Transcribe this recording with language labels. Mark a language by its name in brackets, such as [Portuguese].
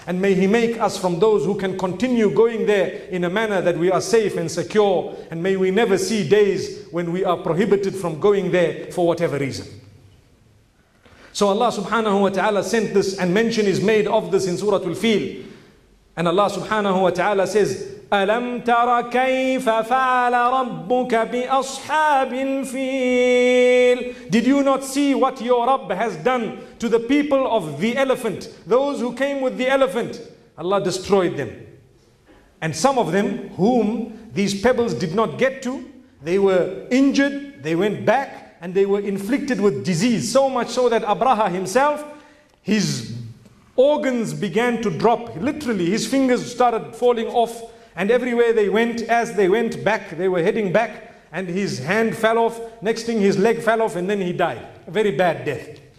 [English] And may He make us from those who can continue going there in a manner that we are safe and secure. And may we never see days when we are prohibited from going there for whatever reason. So Allah subhanahu wa ta'ala sent this, and mention is made of this in Surah Al-Fil. And Allah subhanahu wa ta'ala says, [Arabic] أَلَمْ تَرَ كَيْفَ فَعَلَ رَبُّكَ بِأَصْحَابِ الْفِيلِ. [English] Did you not see what your Rabb has done to the people of the elephant? Those who came with the elephant, Allah destroyed them. And some of them, whom these pebbles did not get to, they were injured, they went back, and they were inflicted with disease, so much so that Abraha himself, his organs began to drop, literally his fingers started falling off, and everywhere they went, as they went back, they were heading back, and his hand fell off, next thing his leg fell off, and then he died. A very bad death.